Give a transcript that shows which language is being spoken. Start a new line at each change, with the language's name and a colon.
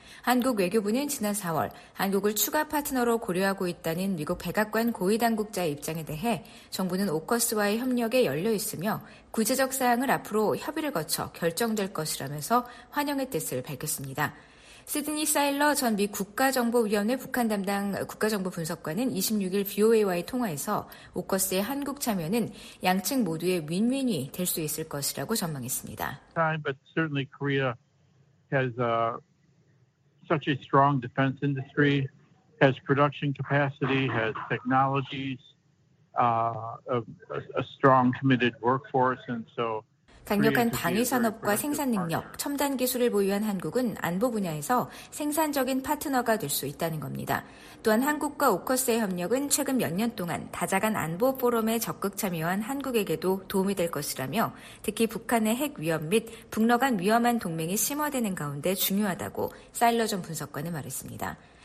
Korean: 한국 외교부는 지난 4월 한국을 추가 파트너로 고려하고 있다는 미국 백악관 고위 당국자의 입장에 대해 정부는 오커스와의 협력에 열려 있으며 구체적 사항을 앞으로 협의를 거쳐 결정될 것이라면서 환영의 뜻을 밝혔습니다. 시드니 사일러 전 미 국가정보위원회 북한 담당 국가정보분석관은 26일 VOA와의 통화에서 오커스의 한국 참여는 양측 모두의 윈윈이 될 수 있을 것이라고 전망했습니다.
English: But certainly Korea has such a strong defense industry, has production capacity, has technologies, a strong committed workforce, and so
Korean: 강력한 방위 산업과 생산 능력, 첨단 기술을 보유한 한국은 안보 분야에서 생산적인 파트너가 될 수 있다는 겁니다. 또한 한국과 오커스의 협력은 최근 몇 년 동안 다자간 안보 포럼에 적극 참여한 한국에게도 도움이 될 것이라며 특히 북한의 핵 위협 및 북러 간 위험한 동맹이 심화되는 가운데 중요하다고 사일러 전 분석관은 말했습니다.